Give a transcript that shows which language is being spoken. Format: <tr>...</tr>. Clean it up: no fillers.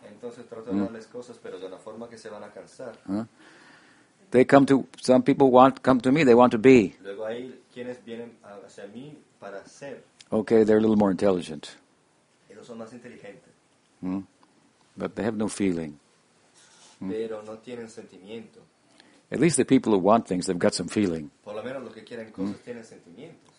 <es>Entonces, trato de darles cosas, pero de una forma que se van a cansar.</es> <en>They come to, some people want, come to me, they want to be.</en> <es>Luego hay quienes vienen hacia mí para ser.</es> <en>Okay, they're a little more intelligent.</en> <es>Ellos son más inteligentes.</es> <en>But they have no feeling.</en> <es>Pero no tienen sentimiento.</es> <en>At least the people who want things, they've got some feeling.</en> <es>Por lo menos los que quieren cosas tienen sentimientos.</es>